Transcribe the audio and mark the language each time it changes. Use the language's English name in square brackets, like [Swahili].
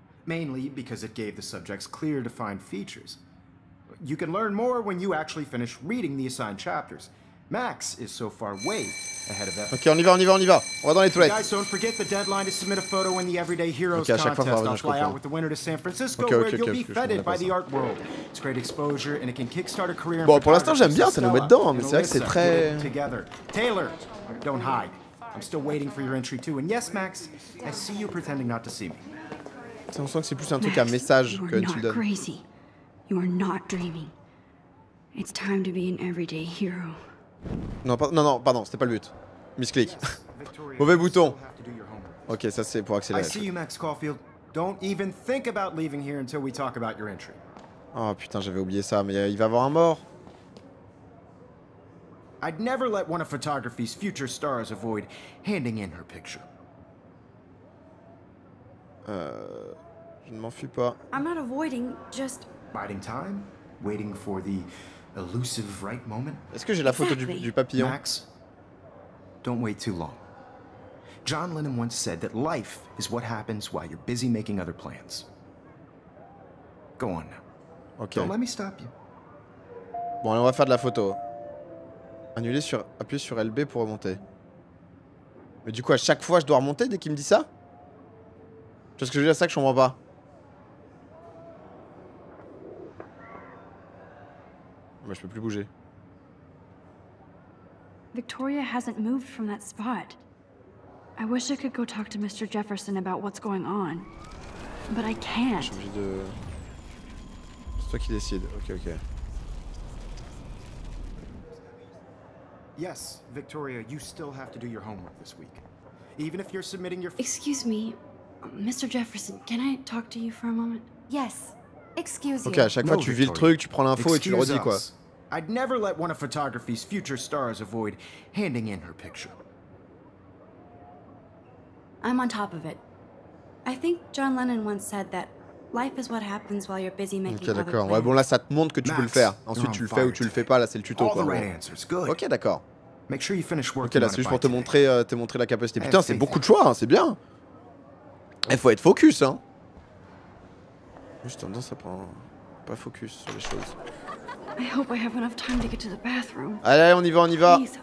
[English] Mainly because it gave the subjects clear, defined features. You can learn more when you actually finish reading the assigned chapters. Max is so far way ahead of [French] everyone. Okay, on y va. On va dans les toilettes. [English] Guys, don't forget the deadline to submit a photo in the Everyday Heroes contest. [French] Okay, à chaque fois, [English] I'll fly out with the winner to San Francisco, okay, where you'll be feted by the art world. It's great exposure, and it can kickstart a career in [French] Bon, pour l'instant, j'aime bien, ça nous met dedans, mais c'est vrai que c'est très... [English] Together. Taylor, don't hide. I'm still waiting for your entry, too. And yes, Max, I see you pretending not to see me. [French] On sent que c'est plus un truc à message que tu donnes. [English] Crazy. You are not dreaming. It's time to be an everyday hero. [French] Non, pardon, c'était pas le but. Miss click. Mauvais bouton. OK, ça c'est pour accélérer. [English] I see you, Max Caulfield. Don't even think about leaving here until we talk about your entry. [French] Oh putain, j'avais oublié ça, mais il va avoir un mort. [English] I'd never let one of photography's future stars avoid handing in her picture. [French] Je ne m'enfuis pas. [English] I'm not avoiding, just biding time, waiting for the elusive right moment. [French] Est-ce que j'ai la photo du papillon? [English] Max, don't wait too long. John Lennon once said that life is what happens while you're busy making other plans. Go on now. Okay. Don't let me stop you. [French] Bon, allez, on va faire de la photo. Annuler sur appuyer sur LB pour remonter. Mais du coup, à chaque fois, je dois remonter dès qu'il me dit ça? Tu vois ce que je veux dire, ça que je comprends pas. Bah, je peux plus bouger. [English] Victoria hasn't moved from that spot. I wish I could go talk to Mr. Jefferson about what's going on. But I can't. [French] J'ai envie de... C'est toi qui décides. Ok. [English] Yes, Victoria, you still have to do your homework this week. Even if you're submitting your... Excuse me. Mr. Jefferson, can I talk to you for a moment? Yes. Excuse me. [French] Ok, à chaque fois, tu vis le truc, tu prends l'info et tu le redis, quoi. [English] I'd never let one of photography's future stars avoid handing in her picture. I'm on top of it. I think John Lennon once said that life is what happens while you're busy making other [French] plans. Ok, d'accord. Ouais, bon, là, ça te montre que tu [English] Max, [French] peux le faire. Ensuite, tu le fais ou tu le fais pas, là, c'est le tuto, [English] all [French] quoi. [English] The right answers. Good. [French] Ok, d'accord. [English] Make sure you finish working. [French] Ok, là, c'est juste pour te montrer la capacité. Putain, c'est beaucoup de choix, hein, c'est bien. Il faut être focus, hein. Juste en dedans, ça prend pas focus sur les choses. Allez, on y va, on y va.